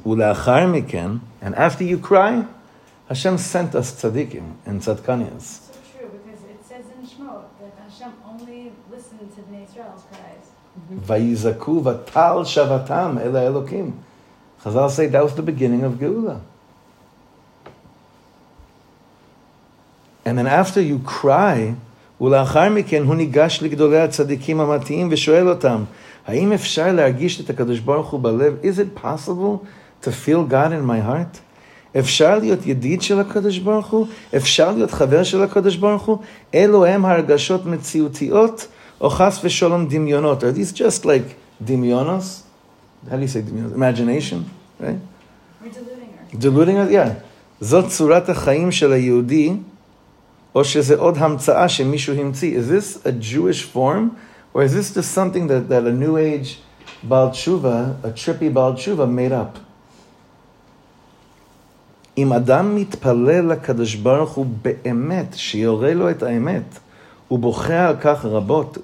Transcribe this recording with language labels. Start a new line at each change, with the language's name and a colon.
Hebrew: Ulaachar miken,
English: and after you cry, Hashem sent us tzaddikim and tzadkanias. So true, because it says in Shmot that Hashem only listened to Bnei Israel's cries.
Hebrew: Vayizaku v'tal shavatam ela Elokim.
English: Chazal say that was the beginning of Geula. And then after you cry,
Hebrew: ולאחר מכן הוא ניגש לגדולי הצדיקים המתיים ושואל אותם, האם אפשר להרגיש את הקדוש ברוך הוא בלב?
English: Is it possible to feel God in my heart?
Hebrew: אפשר להיות ידיד של הקדוש ברוך הוא? אפשר להיות חבר של הקדוש ברוך הוא? אלו הם הרגשות מציאותיות או חס ושלום דמיונות?
English: Are these just like דמיונות? How do you say דמיונות? Imagination, right? We're deluding ourselves.
Hebrew: זאת צורת החיים של היהודי, או שזה עוד המצאה שמישהו המציא.
English: Is this a Jewish form? Or is this just something that a new age Baal Tshuva, a trippy Baal Tshuva, made up?
Hebrew: אם אדם מתפלל לקדוש ברוך הוא באמת, שיורה לו את האמת, הוא בוכה על כך רבות.